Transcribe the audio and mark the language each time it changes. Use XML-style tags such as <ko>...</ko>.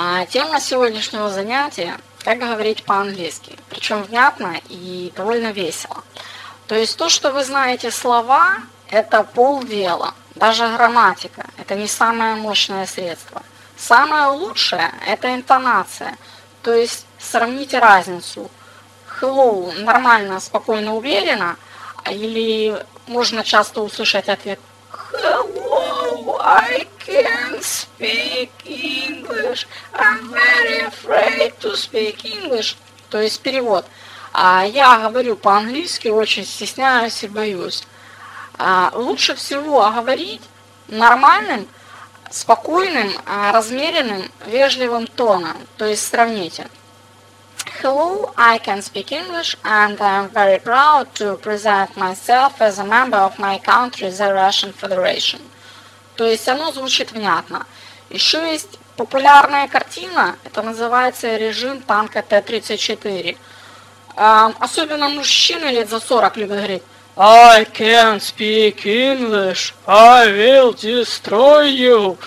<ru>Тема сегодняшнего занятия – как говорить по-английски, причем внятно и довольно весело. То есть то, что вы знаете слова – это полдела, даже грамматика – это не самое мощное средство. Самое лучшее – это интонация, то есть сравните разницу.</ru> <en>Hello –</en> <ru>нормально, спокойно, уверенно, или можно часто услышать ответ</ru> <en>«Hello, I can't speak English, I'm very afraid to speak English».</en> <ru>То есть перевод. Я говорю по-английски, очень стесняюсь и боюсь. Лучше всего говорить нормальным, спокойным, размеренным, вежливым тоном. То есть сравните.</ru> <en>Hello, I can speak English, and I'm very proud to present myself as a member of my country, the Russian Federation.</en> <ru>То есть оно звучит внятно. Еще есть популярная картина, это называется режим танка Т-34. Особенно мужчины лет за 40 любят говорить</ru> <en>I can speak English, I will destroy you.</en>